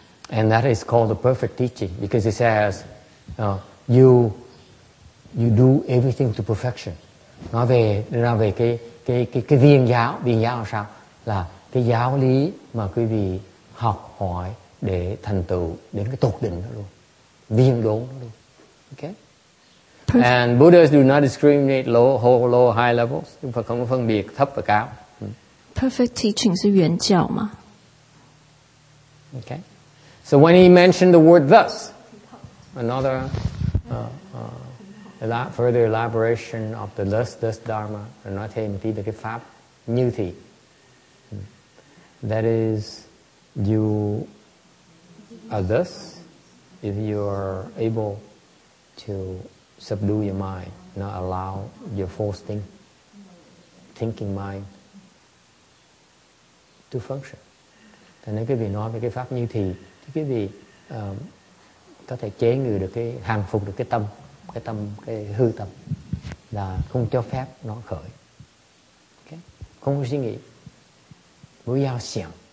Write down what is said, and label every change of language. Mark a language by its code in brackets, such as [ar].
[en] And that is called the perfect teaching because it says, you do everything to perfection. [vi] Nói về cái viên giáo sao là cái giáo lý mà quý vị học hỏi để thành tựu đến cái tột đỉnh đó luôn, viên đốn đó luôn. Okay. Perfect. [en] And Buddhas do not discriminate low, high levels. [vi] Không có phân biệt thấp và cao. [en] Perfect teaching [zh] 是原教吗? [en] Okay. So when he mentioned the word thus, another further elaboration of the thus dharma, and [vi] nói thêm tí về cái pháp như thị. [en] That is, you are thus, if you are able to subdue your mind, not allow your false thinking mind to function. [vi] Thế nên quý vị nói về cái pháp như thị, cái gì có thể chế ngự được cái hàng phục được cái tâm cái hư tâm là không cho phép nó khởi. Okay? Không có suy nghĩ. [zh] Bu yao xiang.